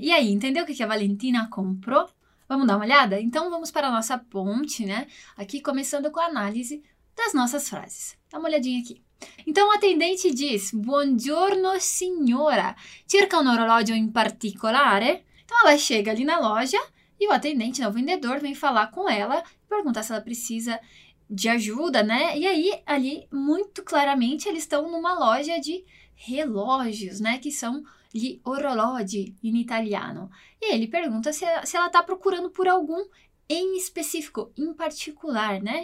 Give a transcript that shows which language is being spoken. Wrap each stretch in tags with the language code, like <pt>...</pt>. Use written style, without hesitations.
<pt>E aí, entendeu o que a Valentina comprou? Vamos dar uma olhada? Então, vamos para a nossa ponte, né? Aqui, começando com a análise das nossas frases. Dá uma olhadinha aqui. Então, o atendente diz:</pt> <it>Buongiorno, signora. Cerca un orologio in particolare?</it> <pt>Então, ela chega ali na loja e o atendente, né, o vendedor, vem falar com ela e perguntar se ela precisa de ajuda, né? E aí, ali, muito claramente, eles estão numa loja de relógios, né? Que são gli orologi in italiano. E ele pergunta se ela está procurando por algum em específico, em particular, né?</pt>